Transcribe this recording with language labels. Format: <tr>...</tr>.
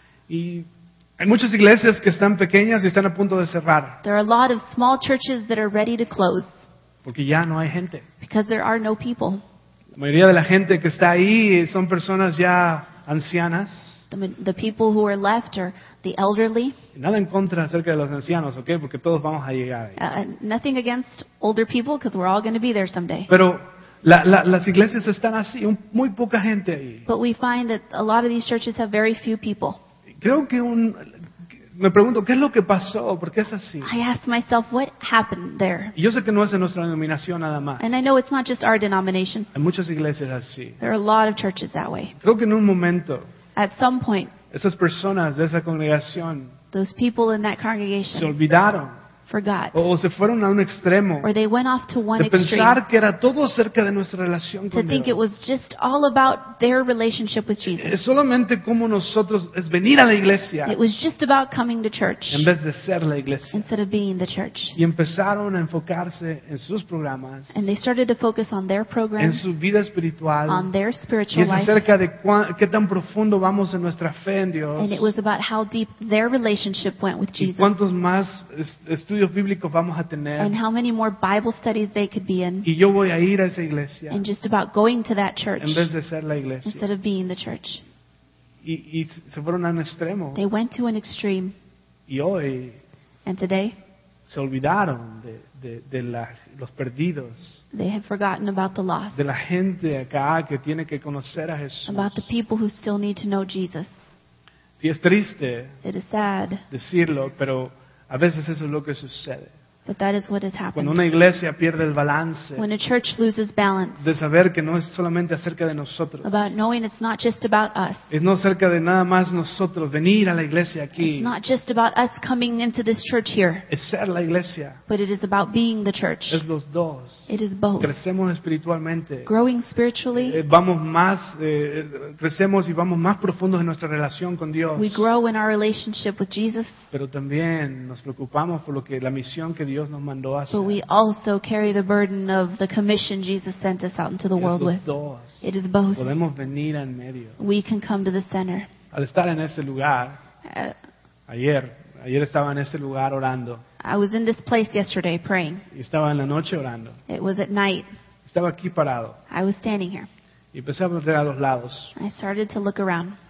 <es>Y hay muchas iglesias que están pequeñas y están a punto de cerrar.</es> <en>There are a lot of small churches that are ready to close.</en> <es>Porque ya no hay gente.</es> <en>Because there are no people.</en> <es>La mayoría de la gente que está ahí son personas ya ancianas.</es> <en>The people who are left are the elderly.</en> <es>Nada en contra acerca de los ancianos, ¿okay? Porque todos vamos a llegar ahí.</es> <en>Nothing against older people, because we're all going to be there someday.</en> <es>Pero las iglesias están así, muy poca gente ahí.</es> <en>But we find that a lot of these churches have very few people.</en> <es>Creo que me pregunto, ¿qué es lo que pasó? ¿Por qué es así?</es> <en>I ask myself, what happened there?</en> <es>Y yo sé que no es en nuestra denominación nada más.</es> <en>And I know it's not just our denomination.</en> <es>Hay muchas iglesias así.</es> <en>There are a lot of churches that way.</en> <es>Creo que en un momento,</es> <en>at some point,</en> <es>esas personas de esa congregación,</es> <en>those people in that congregation,</en> <es>se olvidaron.</es> <en>Forgot.</en> <es>O se fueron a un extremo.</es> <en>Or they went off to one</en> <es>de pensar</es> <en>extreme,</en> <es>que era todo acerca de nuestra relación con</es> <en>Dios. To think</en> <es>Dios.</es> <en>It was just all about their relationship with Jesus.</en> <es>Es solamente como nosotros es venir a la iglesia.</es> <en>It was just about coming to church.</en> <es>En vez de ser la iglesia.</es> <en>Instead of being the church.</en> <es>Y empezaron a enfocarse en sus programas.</es> <en>And they started to focus on their programs.</en> <es>En su vida espiritual.</es> <en>On their spiritual life.</en> <es>Y es acerca de qué tan profundo vamos en nuestra fe en Dios.</es> <en>And it was about how deep their relationship went with Jesus.</en> <es>Y cuántos más estudios bíblicos vamos a tener.</es> <en>And how many more Bible studies they could be in.</en> <es>Y yo voy a ir a esa iglesia.</es> <en>And just about going to that church.</en> <es>En vez de ser la iglesia.</es> <en>Instead of being the church.</en> <es>Y se fueron a un extremo.</es> <en>They went to an extreme.</en> <es>Y hoy.</es> <en>And today.</en> <es>Se olvidaron de los perdidos.</es> <en>They have forgotten about the lost.</en> <es>De la gente acá que tiene que conocer a Jesús.</es> <en>About the people who still need to know Jesus.</en> <es>Sí, es triste.</es> <en>It is sad.</en> <es>Decirlo, pero a veces eso es lo que sucede.</es> <en>But that is what has happened.</en> <es>Cuando una iglesia pierde el balance,</es> <en>when a church loses balance,</en> <es>de saber que no es solamente acerca de nosotros,</es> <en>about knowing it's not just about us,</en> <es>es no acerca de nada más nosotros venir a la iglesia aquí,</es> <en>it's not just about us coming into this church here,</en> <es>es ser la iglesia,</es> <en>but it is about being the church,</en> <es>es los dos,</es> <en>it is both,</en> <es>crecemos espiritualmente,</es> <en>growing spiritually,</en> <es>vamos más, crecemos y vamos más profundos en nuestra relación con Dios,</es> <en>we grow in our relationship with Jesus,</en> <es>pero también nos preocupamos por lo que la misión que Dios nos mandó a hacer.</es> <en>But we also carry the burden of the commission Jesus sent us out into the world with. It is both.</en> <es>Podemos venir en medio.</es> <en>We can come to the center.</en> <es>Al estar en ese lugar, ayer estaba en ese lugar orando.</es> <en>I was in this place yesterday praying.</en> <es>Y estaba en la noche orando.</es> <en>It was at night.</en> <es>Estaba aquí parado.</es> <en>I was standing here.</en> <es>Y empecé a voltear a los lados.</es> <en>I started to look around.</en>